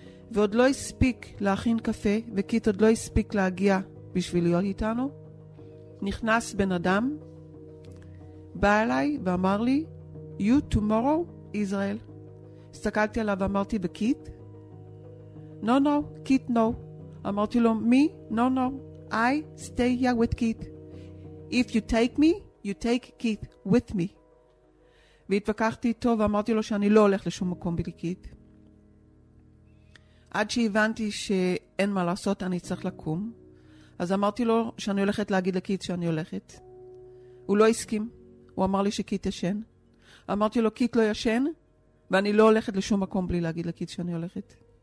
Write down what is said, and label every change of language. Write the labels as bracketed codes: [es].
[he] ועוד לא הספיק להכין קפה, וקית עוד לא הספיק להגיע בשביל להיות איתנו. נכנס בן אדם, בא אליי ואמר לי, [en] you tomorrow, Israel. [he] הסתכלתי עליו ואמרתי, וקית? [en] No, no, קית, no. [he] אמרתי לו, [en] me? No, no, I stay here with Kit. If you take me, you take Kit with me. [he] והתווכחתי איתו ואמרתי לו שאני לא הולך לשום מקום בלי קית. עד שהבנתי שאין מה לעשות, אני צריך לקום. אז אמרתי לו שאני הולכת להגיד לקית שאני הולכת. הוא לא הסכים. הוא אמר לי שקית ישן. אמרתי לו, קית לא ישן, ואני לא הולכת לשום מקום בלי להגיד לקית שאני הולכת.